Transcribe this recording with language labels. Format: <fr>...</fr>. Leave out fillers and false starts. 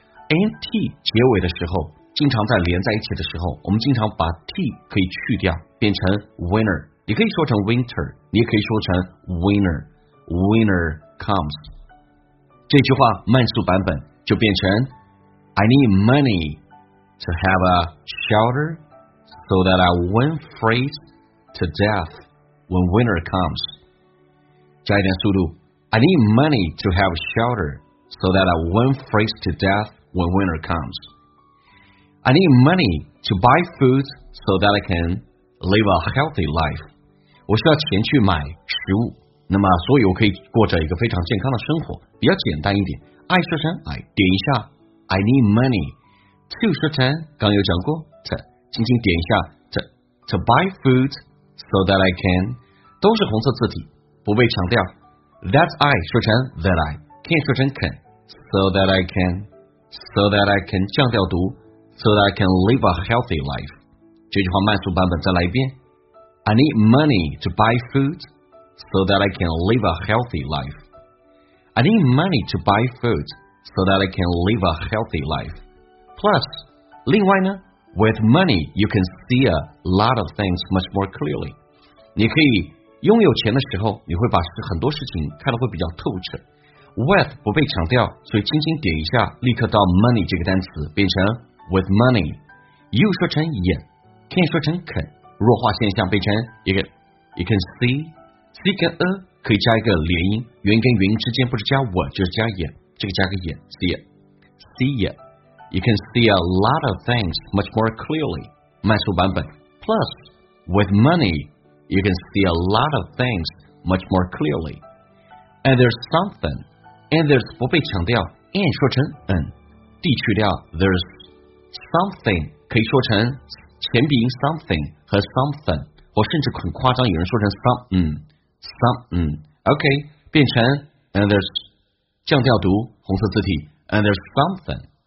<zh>and t 结尾的时候经常在连在一起的时候，我们经常把 t 可以去掉变成 winter， 你可以说成 winter， 你也可以说成 winterWinter comes， 这句话慢速版本就变成</zh> <en>I need money to have a shelter so that I won't freeze to death when winter comes。</en> <zh>加一点速度</zh> <en>I need money to have a shelter so that I won't freeze to death when winter comes。 I need money to buy food so that I can live a healthy life。</en> <zh>我需要钱去买食物，那么所以我可以过着一个非常健康的生活，比较简单一点。</zh> <en>I 说成 I，</en> <zh>点一下</zh> <en>I need money to</en> <zh>说成刚有讲过</zh> <en>to，</en> <zh>轻轻点一下</zh> <en>to buy food so that I can，</en> <zh>都是红色字体不被强调，</zh> <en>that I 说成 that I， can 说成 can， so that I can， so that I can</en> <zh>降调读</zh> <en>so that I can live a healthy life。</en> <zh>这句话慢速版本再来一遍，</zh> <en>I need money to buy foodso that I can live a healthy life. I need money to buy food so that I can live a healthy life. Plus,</en> <zh>另外呢</zh> <en>with money, you can see a lot of things much more clearly.</en> <zh>你可以拥有钱的时候，你会把很多事情看得会比较透彻。 With 不被强调，所以轻轻点一下，立刻到 money 这个单词变成</zh> <en>with money.</en> <zh>You 说成 yeah, can 说成 can, 弱化现象变成</zh> <en>you can see,</en> <zh>C 跟 a 可以加一个连音，元跟元之间不是加我就是加也，这个加个也</zh> <en>see it， see it， you can see a lot of things much more clearly.</en> <zh>慢速版本</zh> <en>Plus, with money, you can see a lot of things much more clearly. And there's something, and there's 不被强调 and 说成 and 地去掉 there's something</en> <zh>可以说成前鼻音</zh> <en>something 和 something</en> <zh>或甚至很夸张有人说成</zh> <en>something something OK 变成 and there's</en> <zh>降调读红色字体</zh> <en>and there's something</en>